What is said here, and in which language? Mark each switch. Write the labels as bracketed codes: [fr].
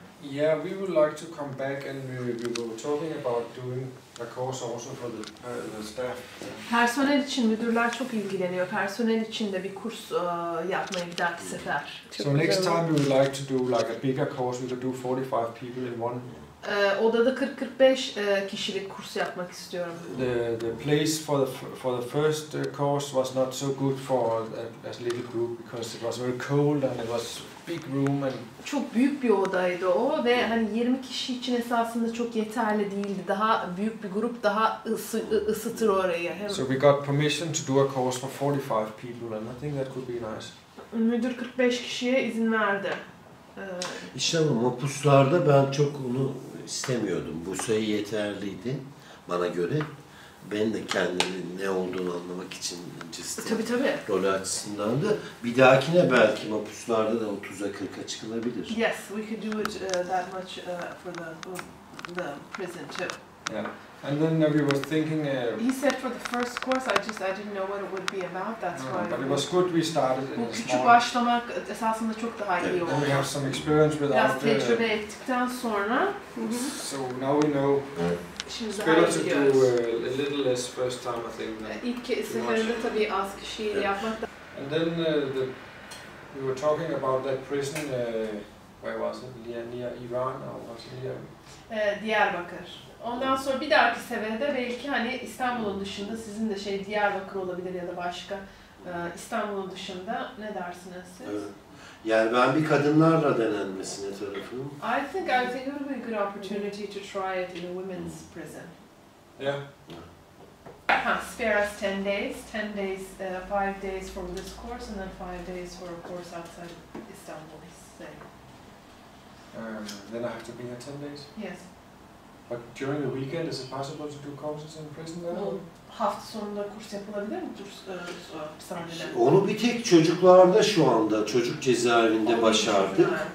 [en] Yeah, we would like to come back and we were talking about doing a course also for the staff. [tr] Personel için müdürler çok ilgileniyor. Personel için de bir kurs yapmayı bir dahaki sefer. [en] So next time we would like to do like a bigger course, we could do 45 people in one. [tr] Odada 40-45 kişilik kurs yapmak istiyorum. [en] The place for the first course was not so good for a little group because it was very cold and it was big room and [tr] çok büyük bir odaydı o ve hani 20 kişi için esasında çok yeterli değildi. Daha büyük bir grup daha ısıtır orayı. [en] So we got permission to do a course for 45 people and I think that could be nice. [tr] Müdür 45 kişiye izin verdi. İşte bu mapuslarda ben çok onu istemiyordum. Bu sayı yeterliydi bana göre. Ben de kendimi ne olduğunu anlamak için rol açısından da. Bir dahakine belki mapuslarda da 30'a 40'a çıkılabilir. [en] Yes, we could do it that much for the prison too. Yeah, and then we were thinking. He said for the first course, I didn't know what it would be about. That's why. But it was good we started. [tr] Bu küçük başlamak esasında çok daha iyi oldu. [en] And we have some experience with [tr] that. Biraz tecrübe ettikten sonra. [en] So now we know. It's better to do a little less first time, I think. [tr] İlk seferinde tabii az kişi yapmak. [en] And then we were talking about that prison. Where was it? Near Iran or was it near? [tr] Diyarbakır. Ondan sonra bir dahaki seferde belki hani İstanbul'un dışında sizin de şey Diyarbakır olabilir ya da başka İstanbul'un dışında ne dersiniz siz? Evet. Yani ben bir kadınlarla denenmesine tarafım. [en] I think it would be a good opportunity to try it in a women's prison. Yeah. Ha, spare us 10 days. 10 days, 5 days for this course and then 5 days for a course outside Istanbul, say. Then I have to be here 10 days? Yes. But during the weekend, is it possible to do courses in prison there? [tr] Hafta sonunda kurs yapılabilir mi? Dursun. Onu bir tek çocuklarda şu anda, çocuk cezaevinde başardık.